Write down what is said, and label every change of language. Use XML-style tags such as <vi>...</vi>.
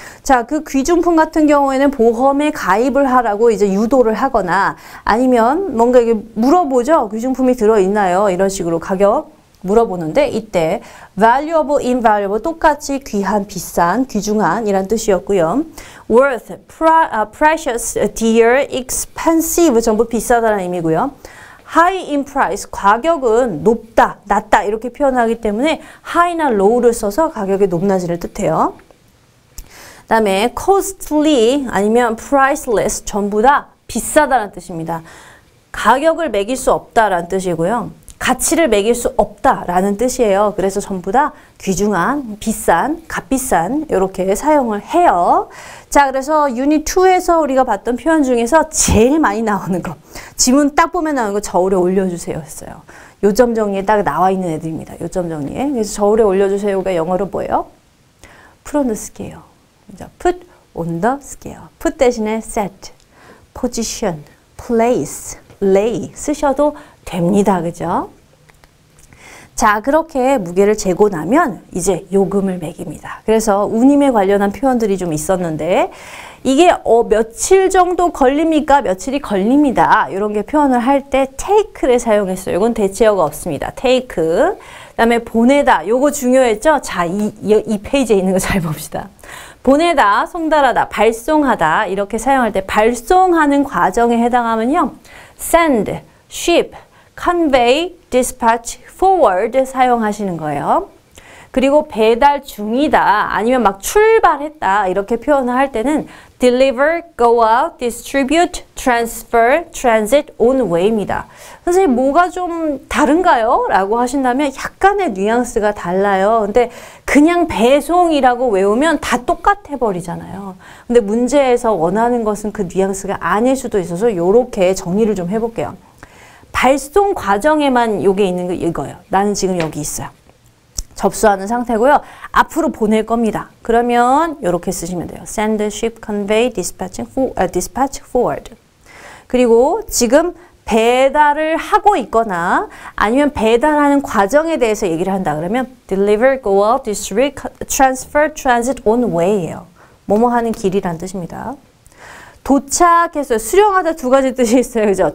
<ko>자, 그 귀중품 같은 경우에는 보험에 가입을 하라고 이제 유도를 하거나 아니면 뭔가 이게 물어보죠. 귀중품이 들어있나요? 이런 식으로 가격 물어보는데 이때</ko> <en>valuable, invaluable</en> <ko>똑같이 귀한, 비싼, 귀중한 이란 뜻이었고요.</ko> <en>worth, precious, dear, expensive</en> <ko>전부 비싸다는 의미고요.</ko> <en>high in price,</en> <ko>가격은 높다, 낮다 이렇게 표현하기 때문에 high나 low를 써서 가격의 높낮이를 뜻해요. 그 다음에 costly 아니면 priceless 전부 다 비싸다라는 뜻입니다. 가격을 매길 수 없다라는 뜻이고요. 가치를 매길 수 없다라는 뜻이에요. 그래서 전부 다 귀중한, 비싼, 값비싼 이렇게 사용을 해요. 자, 그래서 유닛 2에서 우리가 봤던 표현 중에서 제일 많이 나오는 거, 지문 딱 보면 나오는 거 저울에 올려주세요 했어요. 요점 정리에 딱 나와 있는 애들입니다. 요점 정리에. 그래서 저울에 올려주세요가 영어로 뭐예요?</ko> <en>Put on the scale. Put on the scale.</en> <ko>Put 대신에</ko> <en>set, position, place, lay</en> <ko>쓰셔도 됩니다. 그죠? 자, 그렇게 무게를 재고 나면 이제 요금을 매깁니다. 그래서 운임에 관련한 표현들이 좀 있었는데 이게 며칠 정도 걸립니까? 며칠이 걸립니다. 이런 게 표현을 할 때 take를 사용했어요. 이건 대체어가 없습니다. take. 그 다음에 보내다. 요거 중요했죠? 자, 이 페이지에 있는 거 잘 봅시다. 보내다, 송달하다, 발송하다 이렇게 사용할 때 발송하는 과정에 해당하면요.</ko> <en>send, ship, convey, dispatch, forward</en> <ko>사용하시는 거예요. 그리고 배달 중이다 아니면 막 출발했다 이렇게 표현을 할 때는</ko> <en>deliver, go out, distribute, transfer, transit on way</en> <ko>입니다. 선생님 뭐가 좀 다른가요? 라고 하신다면 약간의 뉘앙스가 달라요. 근데 그냥 배송이라고 외우면 다 똑같아 버리잖아요. 근데 문제에서 원하는 것은 그 뉘앙스가 아닐 수도 있어서 이렇게 정리를 좀 해볼게요. 발송 과정에만 이게 있는 게 이거예요. 나는 지금 여기 있어요. 접수하는 상태고요. 앞으로 보낼 겁니다. 그러면 이렇게 쓰시면 돼요.</ko> <en>Send, ship, convey, dispatch forward.</en> <ko>그리고 지금 배달을 하고 있거나 아니면 배달하는 과정에 대해서 얘기를 한다 그러면</ko> <en>deliver, go out, distribute, transfer, transit on way</en> <ko>예요. 뭐뭐 하는 길이란 뜻입니다. 도착해서 수령하다 두 가지 뜻이 있어요. 그죠?</ko>